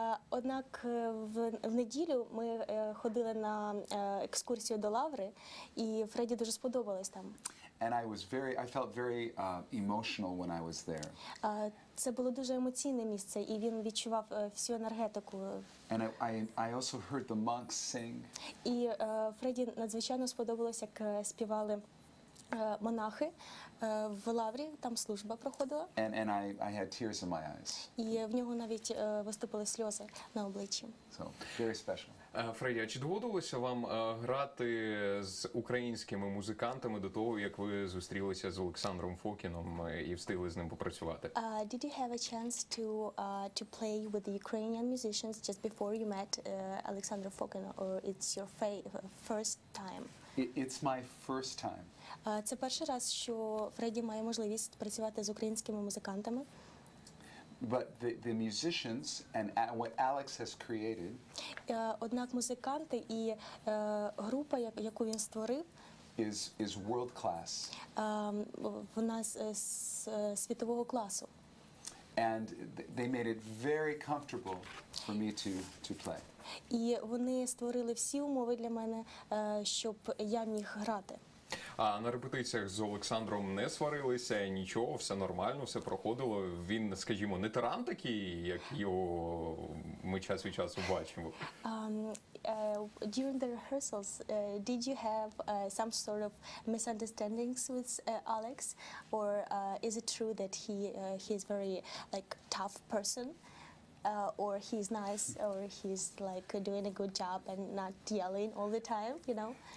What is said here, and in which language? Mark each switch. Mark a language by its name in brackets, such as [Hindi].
[Ukrainian] Однак в неділю ми ходили на екскурсію до Лаври, і Фредді дуже сподобалось там. [English] And I felt very emotional when I was there. [Ukrainian] Це було дуже емоційне місце, і він відчував всю енергетику. [English] And I also heard the monks sing. [Ukrainian] І Фредді надзвичайно сподобалось, як співали монахи в лаврі, там служба проходила. [English] And I had tears in my eyes. [Ukrainian] І в нього навіть виступили сльози на обличчі. [English] So, very special. [Ukrainian] Фредді, а чи доводилося вам грати з українськими музикантами до того, як ви зустрілися з Олександром Фокіном і встигли з ним попрацювати? [English] Did you have a chance to play with the Ukrainian musicians just before you met Alexander Fokin, or it's your first time? It's my first time. [Ukrainian] Це перший раз, що Фредді має можливість працювати з українськими музикантами. [English] But the musicians and what Alex has created. [Ukrainian] Однак музиканти і група, яку він створив, [English] is world class. [Ukrainian] Вона з світового класу. [English] And they made it very comfortable for me to play. [Ukrainian] І вони створили всі умови для мене, щоб я міг грати. А на репетиціях з Олександром не сварилися, нічого, все нормально, все проходило. Він, скажімо, не тиран такий, як його ми час від часу бачимо. [English] During the rehearsals, did you have some sort of misunderstandings with Alex, or is it true that he's very like tough person? Or he's nice, or he's like doing a good job and not yelling all the time, you know.